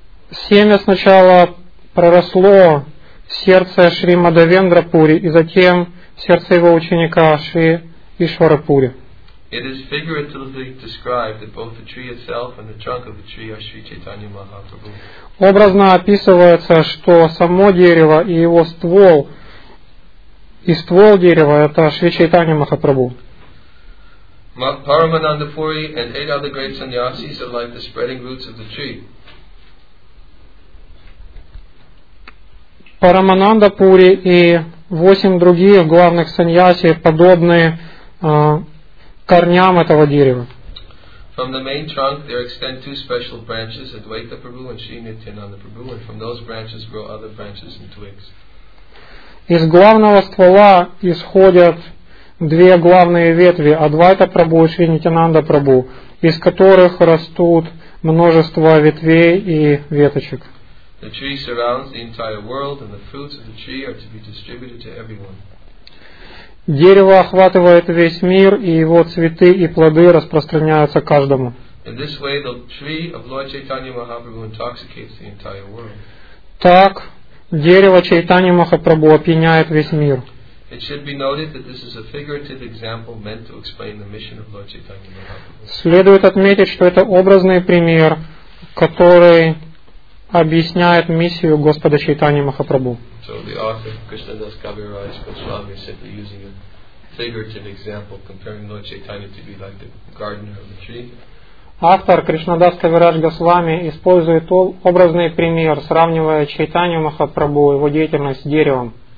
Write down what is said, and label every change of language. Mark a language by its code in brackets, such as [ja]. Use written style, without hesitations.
[ru] Семя сначала проросло в сердце Шри Мадхавендра Пури, и затем в сердце его ученика Шри Ишвара Пури. [en] It is figuratively described that both the tree itself and the trunk of the tree are Sri Chaitanya Mahaprabhu. [ru] Образно описывается, что само дерево и его ствол, и ствол дерева это Шри Чайтанья Махапрабху. [en] Paramananda Puri and 8 other great sannyasis are like the spreading roots of the tree. [ru] Paramananda Puri и 8 других главных саньяси подобные корням этого дерева. [en] From the main trunk there extend two special branches, Advaita Prabhu and Sri Nityananda Prabhu, and from those branches grow other branches and twigs. [ru] Из главного ствола исходят две главные ветви, Адвайта Прабху и Шри Нитянанда Прабху, из которых растут множество ветвей и веточек. [en] The tree surrounds the entire world, and the fruits of the tree are to be distributed to everyone. [ru] Дерево охватывает весь мир, и его цветы и плоды распространяются каждому. [en] In this way, the tree of Lord Chaitanya Mahaprabhu intoxicates the entire world. [ru] Так, дерево Чайтани Махапрабху опьяняет весь мир. [en] It should be noted that this is a figurative example meant to explain the mission of Lord Chaitanya Mahaprabhu. [ru] Следует отметить, что это образный пример, который объясняет миссию Господа Чайтани Махапрабху. [en] So the author, Krishna Das Kaviraj Goswami, is simply using a figurative example comparing Lord Chaitanya to be like the gardener of the tree. [ru] Автор Кришнадас Кавирадж Госвами использует образный пример, сравнивая Чайтанью Махапрабху, его деятельность с деревом.